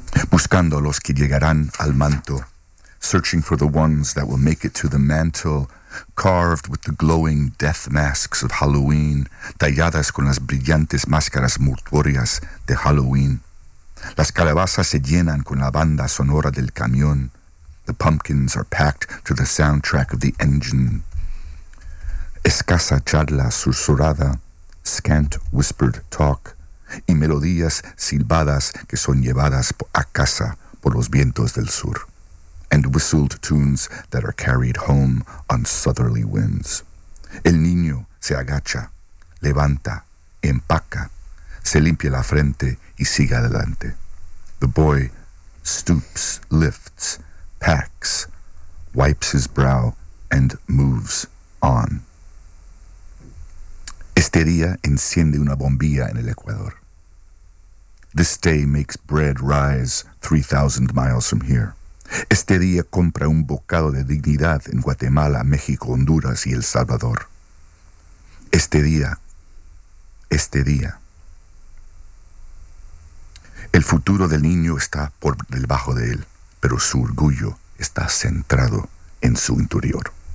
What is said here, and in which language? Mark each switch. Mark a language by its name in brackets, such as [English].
[Spanish] Buscando a los que llegarán al manto, [English] searching for the ones that will make it to the mantle, carved with the glowing death masks of Halloween, [Spanish] talladas con las brillantes máscaras mortuorias de Halloween. Las calabazas se llenan con la banda sonora del camión. [English] The pumpkins are packed to the soundtrack of the engine. [Spanish] Escasa charla susurrada, [English] scant whispered talk, [Spanish] y melodías silbadas que son llevadas a casa por los vientos del sur. [English] And whistled tunes that are carried home on southerly winds. [Spanish] El niño se agacha, levanta, empaca, se limpia la frente y sigue adelante. [English] The boy stoops, lifts, packs, wipes his brow, and moves on. [Spanish] Este día enciende una bombilla en el Ecuador. [English] This day makes bread rise 3,000 miles from here. [Spanish] Este día compra un bocado de dignidad en Guatemala, México, Honduras y El Salvador. Este día. El futuro del niño está por debajo de él, pero su orgullo está centrado en su interior.